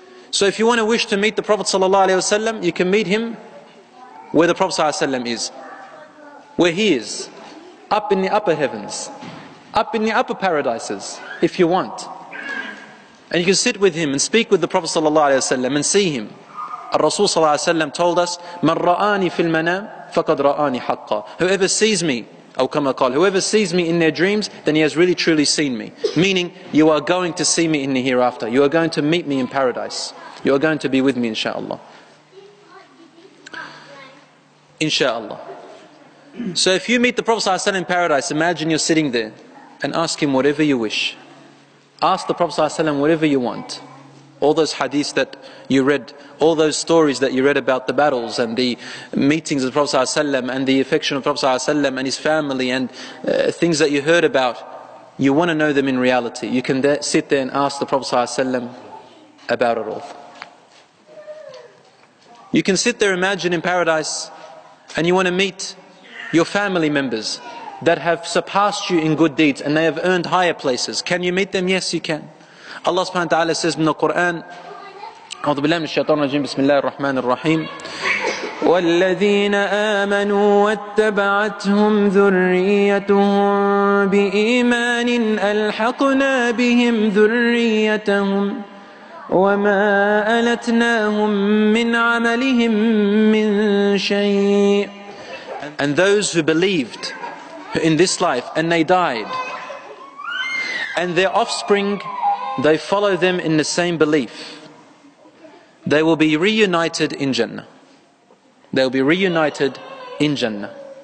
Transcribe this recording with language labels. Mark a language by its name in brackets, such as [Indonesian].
[English] So if you want to wish to meet the Prophet ﷺ, you can meet him where the Prophet ﷺ is. Where he is. Up in the upper heavens. Up in the upper paradises, if you want. And you can sit with him and speak with the Prophet ﷺ and see him. Rasul ﷺ told us, [Arabic] مَنْ رَآنِي فِي الْمَنَامِ فَقَدْ رَآنِ حَقَّ. [English] Whoever sees me, [Arabic] أو كما قال, [English] whoever sees me in their dreams, then he has really truly seen me. Meaning, you are going to see me in the hereafter. You are going to meet me in paradise. You are going to be with me, inshaAllah. InshaAllah. So if you meet the Prophet ﷺ in paradise, imagine you're sitting there and ask him whatever you wish. Ask the Prophet ﷺ whatever you want. All those hadiths that you read, all those stories that you read about the battles and the meetings of the Prophet ﷺ and the affection of the Prophet ﷺ and his family and things that you heard about, you want to know them in reality. You can sit there and ask the Prophet ﷺ about it all. You can sit there, imagine in paradise, and you want to meet your family members that have surpassed you in good deeds and they have earned higher places. Can you meet them? Yes, you can. Allah subhanahu wa ta'ala says in the Quran, [Arabic] أعوذ بالله من الشيطان الرجيم بسم الله الرحمن الرحيم والذين آمنوا واتبعتهم ذريتهم بإيمان ألحقنا بهم ذريتهم وما ألتناهم من عملهم من شيء. [English] And those who believed in this life and they died and their offspring, they follow them in the same belief. They will be reunited in Jannah. They will be reunited in Jannah.